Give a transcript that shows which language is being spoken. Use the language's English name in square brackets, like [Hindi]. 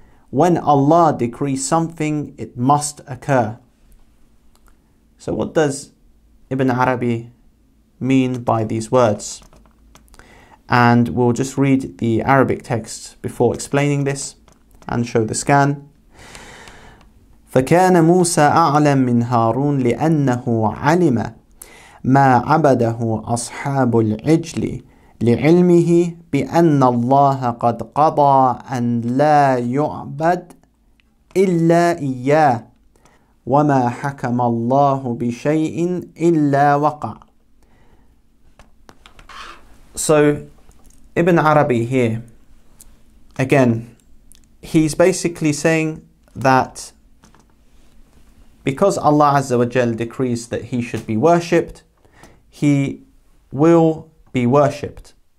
[English] When Allah decrees something, it must occur. So what does Ibn Arabi mean by these words? And we'll just read the Arabic text before explaining this and show the scan. [Arabic] فَكَانَ مُوسَىٰ أَعْلَمْ مِنْ هَارُونَ لِأَنَّهُ عَلِمَ مَا عَبَدَهُ أَصْحَابُ الْعِجْلِ لعلمه بأن الله قد قضى أن لا يعبد إلا إياه وما حكم الله بشيء إلا وقع. [English] So Ibn Arabi here, again, he's basically saying that because Allah Azza wa Jal decrees that he should be worshipped, he will be worshipped.